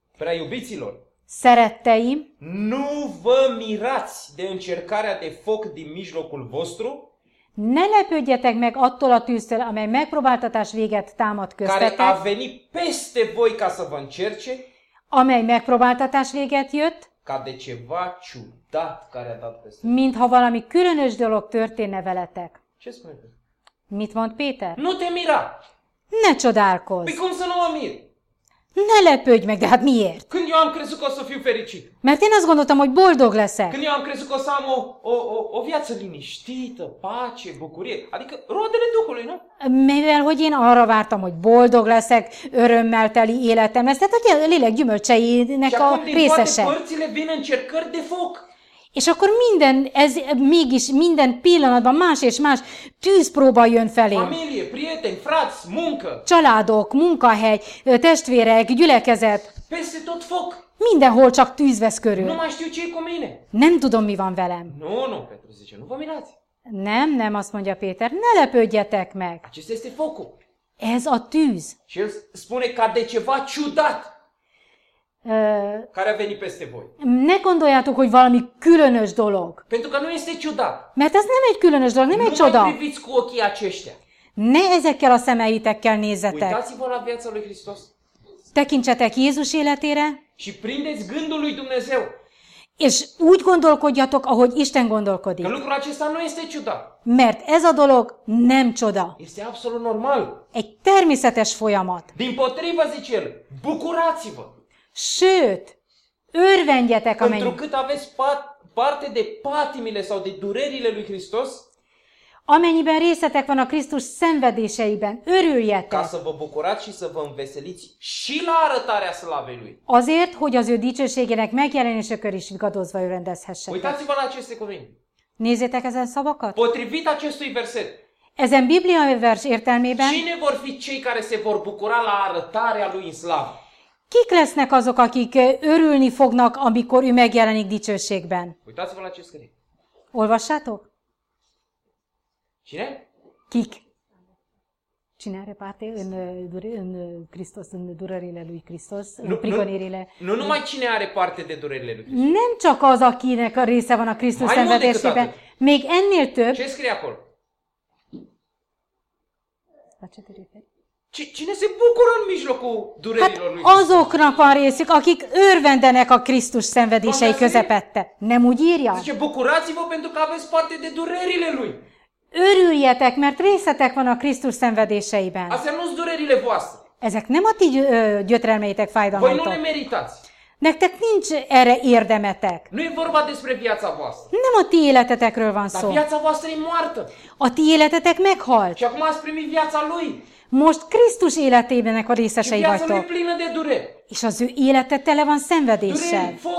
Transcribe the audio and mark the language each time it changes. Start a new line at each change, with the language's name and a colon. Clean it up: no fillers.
Romanian: Prea iubiților,
Hungarian: szeretteim,
Romanian: nu vă mirați de încercarea de foc din mijlocul vostru,
Hungarian: ne lepődjetek meg attól a tűztől, amely megpróbáltatás véget támad köztetek,
Romanian: care a venit peste voi ca să vă încerce,
Hungarian: amely megpróbáltatás véget jött,
Romanian: ca de ceva ciudat care a dat peste.
Hungarian: Mintha valami különös dolog történne veletek.
Romanian: Ce spune Peter?
Hungarian: Mit mond Péter?
Romanian: Nu te mira!
Hungarian: Ne csodálkozz!
Romanian: Mi cum să nu mă mir?
Hungarian: Ne lepődj meg, de hát miért?
Romanian: Când eu am crezut că o să fiu fericit.
Hungarian: Mert én azt gondoltam, hogy boldog leszek.
Romanian: Când eu am crezut că o să am o viață liniștită, pace, bucurie. Adică roadele Duhului, nu?
Hungarian: Mivel, hogy én arra vártam, hogy boldog leszek, örömmel teli életem lesz. Tehát a lélek gyümölcseinek a részese.
Romanian: Și acum din toate părțile vin încercări de foc.
Hungarian: És akkor minden, ez mégis minden pillanatban más és más tűzpróba jön felé.
Romanian: Familie, prieteni, frați, munka.
Hungarian: Családok, munkahely, testvérek, gyülekezet.
Romanian: Peste tot foc.
Hungarian: Mindenhol csak tűz vesz körül.
Romanian: Nu mai știu ce e cu mine.
Hungarian: Nem tudom, mi van velem.
Romanian: Nu, nu, Petru zice, nu vă mirați.
Hungarian: Nem, nem, azt mondja Péter, ne lepődjetek meg.
Romanian: Acest este focul.
Hungarian: Ez a tűz.
Romanian: Și el spune ca de ceva ciudat. Care a venit peste voi.
Hungarian: Ne gondoljátok, hogy valami különös dolog.
Romanian: Pentru că nu este ciudat.
Hungarian: Mert ez nem egy különös dolog, nem egy csoda.
Romanian: Nu mai priviți cu ochii aceștia.
Hungarian: Ne ezekkel a szemeitekkel nézzetek.
Romanian: Uitați-vă la viața lui Hristos.
Hungarian: Tekintsetek Jézus életére.
Romanian: Și prindeți gândul lui Dumnezeu.
Hungarian: És úgy gondolkodjatok, ahogy Isten gondolkodik.
Romanian: Că lucrul acesta nu este ciudat.
Hungarian: Mert ez a dolog nem csoda.
Romanian: Este absolut normal.
Hungarian: Egy természetes folyamat.
Romanian: Din potrivă, zice el, bucurați-vă.
Hungarian: Sőt, örvendjetek a mennyben.
Romanian: Pentru cât aveți parte de patimile sau de durerile lui Hristos,
Hungarian: amennyiben részetek van a Krisztus szenvedéseiben, örüljetek.
Romanian: Ca să vă bucurați și să vă înveseliți și la arătarea slavei lui.
Hungarian: Azért, hogy az ő dicsőségének megjelenésekor is vigadozva örvendezhessetek.
Romanian: Uitați-vă la aceste cuvinte.
Hungarian: Nézzétek ezen szavakat.
Romanian: Potrivit acestui verset.
Hungarian: Ezen bibliai vers értelmében.
Romanian: Cine vor fi cei care se vor bucura la arătarea lui în slavă?
Hungarian: Kik lesznek azok, akik örülni fognak, amikor ő megjelenik dicsőségben?
Romanian: Uitați-vă la ce scrie.
Hungarian: Olvassátok?
Romanian: Cine?
Hungarian: Kik?
Romanian: Cine are parte în, în Christos, în durările lui Christos, în prigonirile? Nu numai cine are parte de durările lui Christos.
Hungarian: Nem csak az, akinek része van a Christus szenvedésében. Még ennél több.
Romanian: Ce scrie acolo? La ce te referi? Cine se bucură în mijlocul durerilor
Hungarian: hát
Romanian: lui?
Hungarian: Azoknak van részük, akik örvendenek a Krisztus szenvedései közepette. Nem úgy írja?
Romanian: Zice, bucurați-vă pentru că aveți parte de durerile lui.
Hungarian: Örüljetek, mert részetek van a Krisztus szenvedéseiben.
Romanian: Azért nu-s durerile voastre.
Hungarian: Ezek nem a ti gyötrelmeitek, fájdalmatok.
Romanian: Voi nu le meritați.
Hungarian: Nektek nincs erre érdemetek.
Romanian: Nu e vorba despre viața voastră.
Hungarian: Nem a ti életetekről van szó.
Romanian: Dar viața voastră e moartă.
Hungarian: A ti életetek meghalt.
Romanian: Și acum ați primit viața lui.
Hungarian: Most Krisztus életének a részesei vagytok. És az ő élete tele van szenvedéssel.